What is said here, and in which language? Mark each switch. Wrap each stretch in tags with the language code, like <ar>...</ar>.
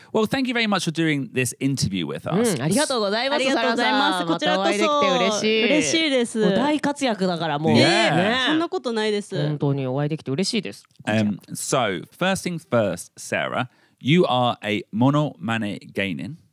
<en>Well, thank you very much for doing this interview with us.</en> <ja>ありがとうございます、サラさん。ありがとうございます。こちらこそ。またお会いできて嬉しい。嬉しいです。大活躍だからもう。</ja> <en>Yeah.</en> <ja>そんなことないです。本当にお会いできて嬉しいです。</ja> <en>So, first things first, Sarah, you are a monomane gainin.</en>